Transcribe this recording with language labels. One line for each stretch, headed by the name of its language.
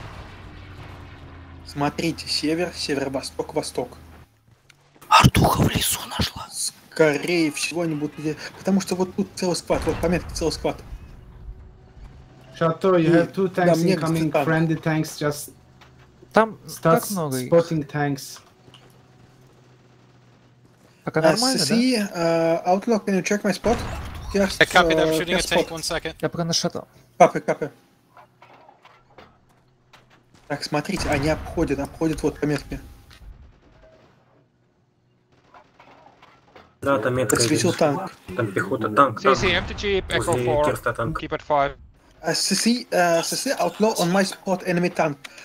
Russian: Принят. Смотрите, север, северо-восток, восток. Ртуха в лесу нашла. Скорее всего они будут идти, потому что вот тут целый сквад, вот пометка целый сквад.
English: Chateau, you have two tanks incoming, friendly tanks, just
Russian: там так много их.
English: Spotting tanks.
Russian: Пока нормально, да?
English: See, Outlook, can you check my spot? Just, I copy, I'm shooting a tank, one second.
Russian: Я пока на Chateau.
English: Copy, copy.
Russian: Так, смотрите, они обходят, обходят вот пометки. Да, там метка. Посветил танк. Там пехота, танк.
English: CC, MTG, Echo 4, keep it 5. CC, Outlaw on my spot, enemy tank.